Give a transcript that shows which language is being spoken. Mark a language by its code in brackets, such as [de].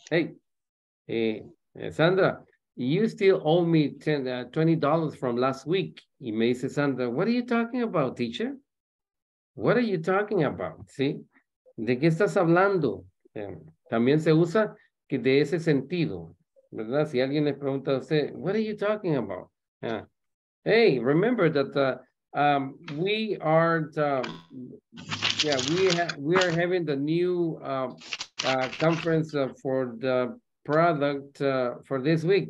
[en] Hey, Sandra, you still owe me $20 from last week. [es] Y me dice [en] Sandra, what are you talking about, teacher? What are you talking about? [es] ¿Sí? ¿De qué estás hablando? También se usa que de ese sentido, ¿verdad? Si alguien les pregunta a usted, [en] what are you talking about? Yeah. Hey, remember that we are having the new conference for the product for this week.